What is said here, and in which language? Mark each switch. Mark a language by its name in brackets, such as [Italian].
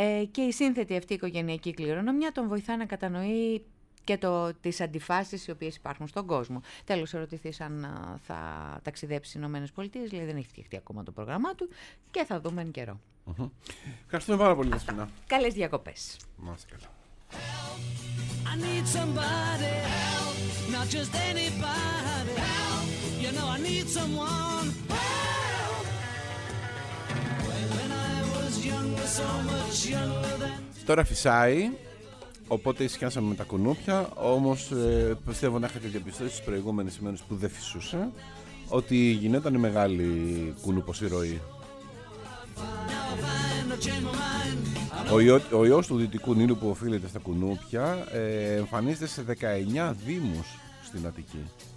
[Greek] Και η σύνθετη αυτή οικογενειακή κληρονομιά τον βοηθά να κατανοεί και τις αντιφάσεις οι οποίες υπάρχουν στον κόσμο. Τέλος, ερωτηθείς αν θα ταξιδέψει στις Ηνωμένες Πολιτείες, δηλαδή δεν έχει φτιαχτεί ακόμα το πρόγραμμά του και θα δούμε εν καιρό. Mm-hmm. Ευχαριστούμε πάρα πολύ, Δεσποινά. Καλές διακοπές. Να είστε καλά. [English] I need somebody help, not just anybody help, you know I need someone help. When I was younger, so much younger than... [Greek] Τώρα φυσάει. Οπότε ισχυάσαμε με τα κουνούπια, όμως πιστεύω να είχατε διαπιστώσει στις προηγούμενες ημέρες που δεν φυσούσε ότι γινόταν η μεγάλη κουνούπος η ροή. Ο ιός του Δυτικού Νείλου που οφείλεται στα κουνούπια εμφανίζεται σε 19 δήμους στην Αττική.